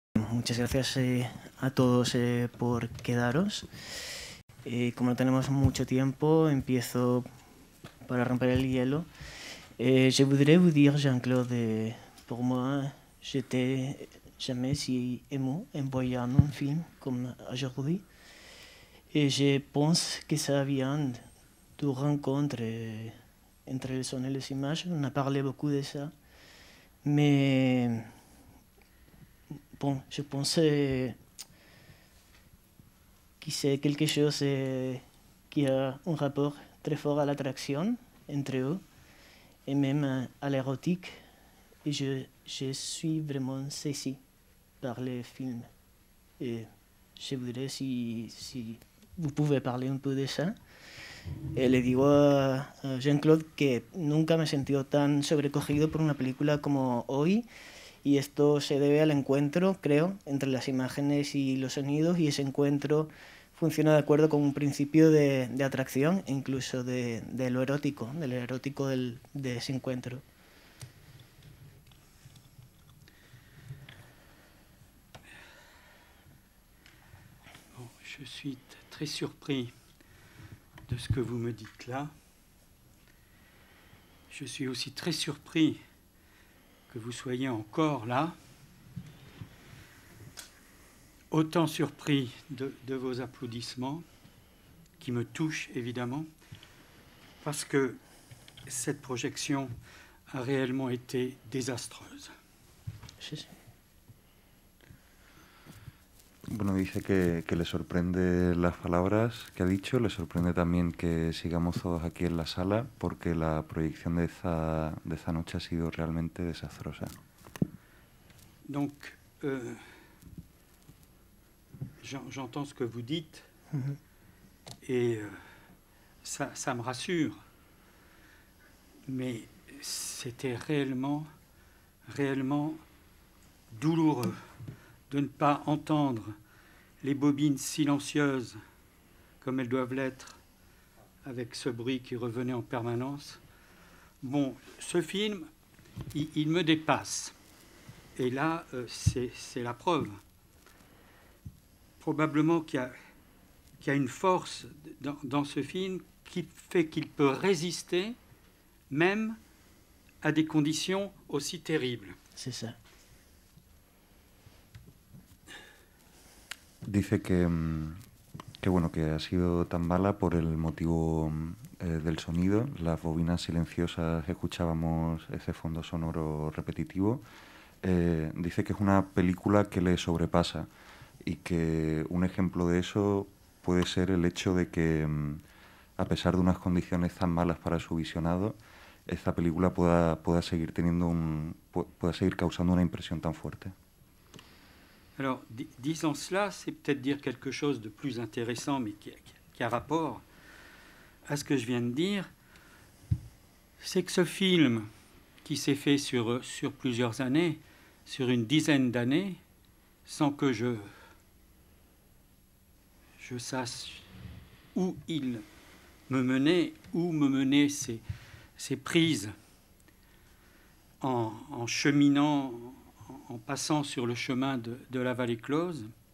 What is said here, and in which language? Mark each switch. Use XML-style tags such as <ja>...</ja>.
<es>muchas gracias a todos por quedaros. Como no tenemos mucho tiempo, empiezo para romper el hielo.</es> <fr>Je voudrais vous dire, Jean-Claude, pour moi, je n'étais jamais si ému en voyant un film comme aujourd'hui. Et je pense que ça vient de rencontre entre le son et les images. On a parlé beaucoup de ça. Mais bon, je pense que c'est quelque chose qui a un rapport très fort à l'attraction entre eux et même à l'érotique. Et je suis vraiment saisi par les films. Et je voudrais si vous pouvez parler un peu de ça.</fr> <es>Et le digo a Jean-Claude que nunca me he sentido tan sobrecogido por una película como hoy, y esto se debe al encuentro, creo, entre las imágenes y los sonidos, y ese encuentro funciona de acuerdo con un principio de atracción, incluso de lo erótico, del erótico de ese encuentro.</es> <fr>Bon, je suis très surpris de ce que vous me dites là. Je suis aussi très surpris que vous soyez encore là. Autant surpris de vos applaudissements, qui me touchent évidemment, parce que cette projection a réellement été désastreuse.</fr> <es>Bueno, dice que le sorprende las palabras que ha dicho, le sorprende también que sigamos todos aquí en la sala, porque la proyección de esa noche ha sido realmente desastrosa.</es> <fr>Donc, j'entends ce que vous dites, et ça me rassure, mais c'était réellement douloureux de ne pas entendre les bobines silencieuses, comme elles doivent l'être, avec ce bruit qui revenait en permanence. Bon, ce film, il me dépasse. Et là, c'est la preuve. Probablement qu'il y a une force dans ce film qui fait qu'il peut résister, même à des conditions aussi terribles. C'est ça.</fr> <es>Dice que bueno, que ha sido tan mala por el motivo del sonido. Las bobinas silenciosas, escuchábamos ese fondo sonoro repetitivo. Dice que es una película que le sobrepasa y que un ejemplo de eso puede ser el hecho de que, a pesar de unas condiciones tan malas para su visionado, esta película pueda seguir causando una impresión tan fuerte.</es> <fr>Alors, disant cela, c'est peut-être dire quelque chose de plus intéressant, mais qui a rapport à ce que je viens de dire. C'est que ce film, qui s'est fait sur plusieurs années, sur une dizaine d'années, sans que je sache où il me menait, où me menaient ces prises, en cheminant, en passant sur le chemin de la vallée close.</fr>